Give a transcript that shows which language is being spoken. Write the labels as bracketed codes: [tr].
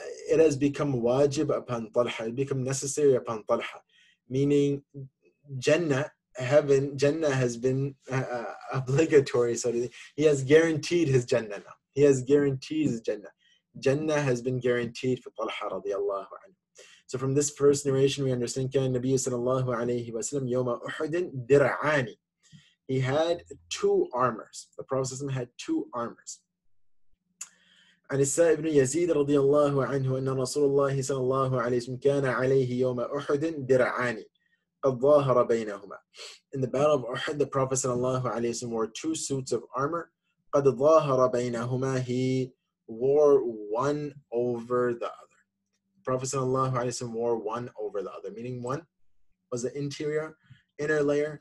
[en] It has become wajib upon Talha, it become necessary upon Talha. Meaning, Jannah has been obligatory. So he has guaranteed his Jannah now. He has guaranteed his Jannah. Jannah has been guaranteed for Talha radiallahu anhu. So from this first narration, we understand, [ar] كان النبي صلى الله عليه وسلم يوم أحد درعاني. [en] He had two armors. The Prophet had two armors. [ar] عن الساء بن يزيد رضي الله عنه أن رسول الله صلى الله عليه وسلم كان عليه يوم أحد درعاني قد ظاهر بينهما. [en] In the battle of Uhud, the Prophet [ar] صلى الله عليه وسلم [en] wore two suits of armor. [ar] قد ظاهر بينهما. [en] He wore one over the other. The Prophet [ar] صلى الله عليه وسلم [en] wore one over the other, meaning one was the interior, inner layer.